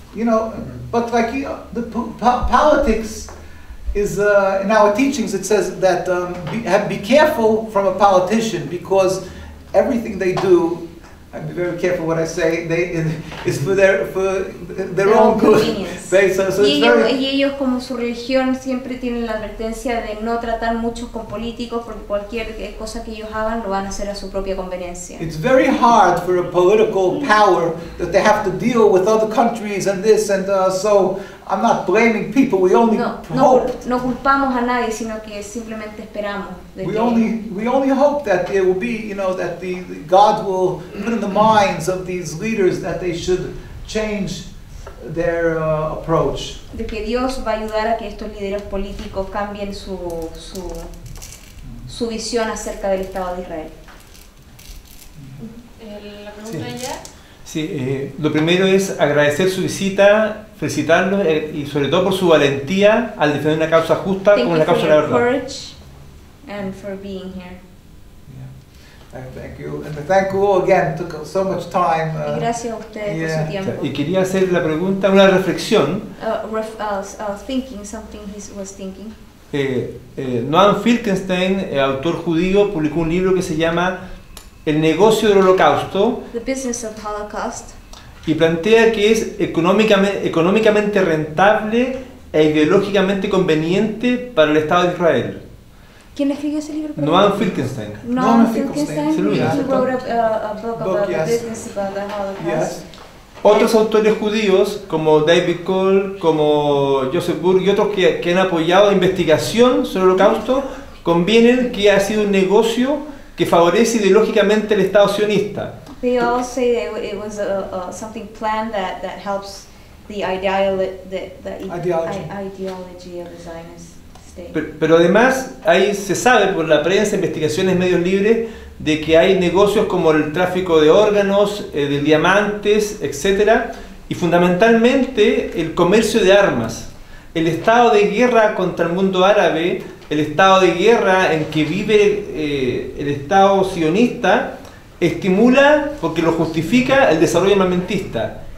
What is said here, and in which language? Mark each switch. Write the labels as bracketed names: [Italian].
[English] You know, but like you know, the politics. Is in our teachings it says that be careful from a politician because everything they do, I'd be very careful what I say, is for their own good. [Spanish] Y ellos como su religión siempre tienen la advertencia de no tratar mucho con políticos porque cualquier cosa que ellos hagan lo van a hacer a su propia conveniencia. [English] It's very hard for a political power that they have to deal with other countries and this and so I'm not blaming people, we only [Spanish] No culpamos a nadie, sino que simplemente esperamos. [English] We only hope that there will be, you know, that the God will put in the minds of these leaders that they should change their approach. [Spanish] De que Dios va a ayudar a que estos líderes políticos cambien su visión acerca del Estado de Israel. Mm-hmm. pregunta de ella. Sí, lo primero es agradecer su visita, felicitarlo y sobre todo por su valentía al defender una causa justa como la causa de la verdad. [English] Thank you for your courage and for being here. Thank you, and thank you again. Took so much time. [Spanish] Gracias a ustedes por su tiempo. Y quería hacer la pregunta, una reflexión. [English] Thinking something he was thinking. [Spanish] Noam Finkelstein, autor judío, publicó un libro que se llama El negocio del Holocausto. [English] The business of Holocaust. [Spanish] Y plantea que es económicamente rentable e ideológicamente conveniente para el Estado de Israel. ¿Quién escribió ese libro? Noam Finkelstein. Noam Finkelstein. [English] He wrote a book about the business about the Holocaust. Yes. [Spanish] Otros autores judíos, como David Cole, como Joseph Burg y otros que han apoyado investigación sobre el Holocausto, convienen que ha sido un negocio que favorece ideológicamente el Estado sionista. [English] They all say it was something planned that helps the ideology of the Zionists. [Spanish] Pero además, ahí se sabe por la prensa, investigaciones, medios libres, de que hay negocios como el tráfico de órganos, de diamantes, etcétera, y fundamentalmente el comercio de armas. El estado de guerra contra el mundo árabe, el estado de guerra en que vive el estado sionista, estimula, porque lo justifica, el desarrollo armamentista.